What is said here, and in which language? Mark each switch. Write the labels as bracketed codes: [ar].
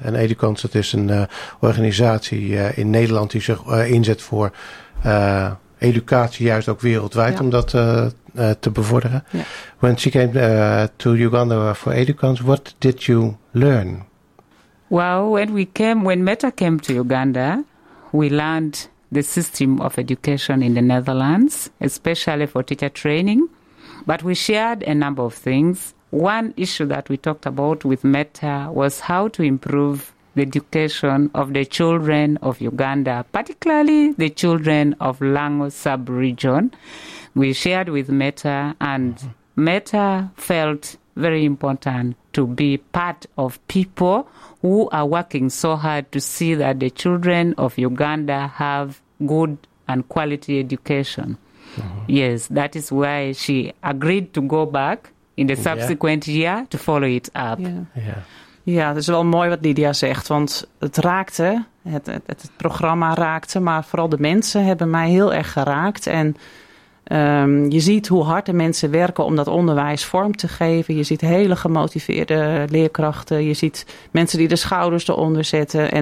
[nl] En Edukans, dat is een organisatie in Nederland die zich inzet voor educatie, juist ook wereldwijd, om dat te bevorderen. [en] Yeah. When she came to Uganda for Edukans, what did you learn? Well, when Meta came to Uganda, we learned the system of education in the Netherlands, especially for teacher training. But we shared a number of things. One issue that we talked about with Meta was how to improve the education of the children of Uganda, particularly the children of Lango sub-region. We shared with Meta, and Meta felt very important to be part of people who are working so hard to see that the children of Uganda have good and quality education. Mm-hmm. Yes, that is why she agreed to go back in the subsequent year to follow it up. [nl] Ja, het is wel mooi wat Lydia zegt, want het raakte, het programma raakte, maar vooral de mensen hebben mij heel erg geraakt. En je ziet hoe hard de mensen werken om dat onderwijs vorm te geven. Je ziet hele gemotiveerde leerkrachten, je ziet mensen die de schouders eronder zetten.